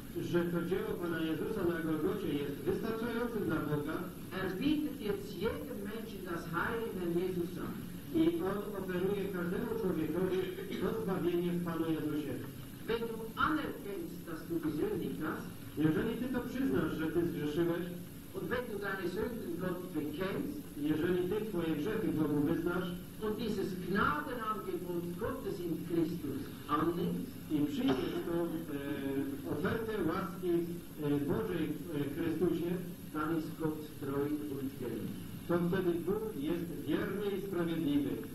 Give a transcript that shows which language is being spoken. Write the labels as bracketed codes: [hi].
[pl] że to dzieło Pana Jezusa na Golgocie jest wystarczające dla Boga. [de] Er bietet jetzt jedem Menschen das Heil in Herrn Jesusa. [pl] I on oferuje każdemu człowiekowi to zbawienie w Panu Jezusie. [de] Wenn du anerkennst, dass du gesündigt hast, [pl] jeżeli ty to przyznasz, że ty zgrzeszyłeś, [de] und wenn du deine Sünden Gott bekennst, [pl] jeżeli ty twoje grzechy Bogu wyznasz, [de] und dieses Gnadenangebot Gottes in Christus annimmst, [pl] i przyjmiesz tą ofertę łaski Bożej w Chrystusie, [de] dann ist Gott treu und gerecht. [pl] To wtedy Bóg jest wierny i sprawiedliwy.